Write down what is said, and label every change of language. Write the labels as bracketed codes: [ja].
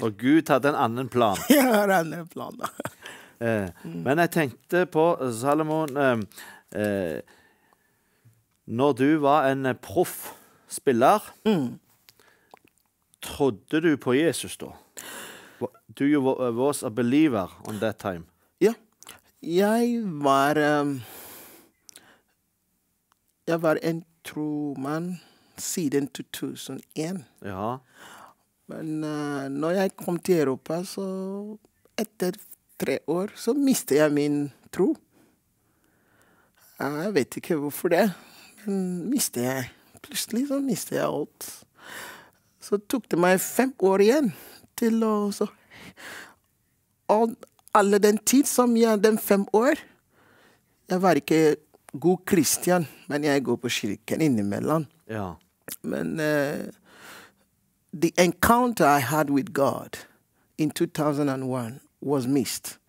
[no] Og Gud hadde en annen plan. Jeg har en annen plan da. Men jeg tenkte på, Salomon, når du var en proff, spiller, trodde du på Jesus da? [en] Do you was a believer on that time? [no] Ja, jeg var en tromann siden 2001. Ja. Men når jeg kom til Europa, så etter 3 år, så mistet jeg min tro. Jeg vet ikke hvorfor det, men mistet jeg. Plutselig så mistet jeg alt. Så tok det meg 5 år igjen til å... Så. Og alle den tid som jeg, den 5 år, jeg var ikke god kristian, men jeg går på kirken innimellom. Ja. Men [en] the encounter I had with God in 2001 was missed.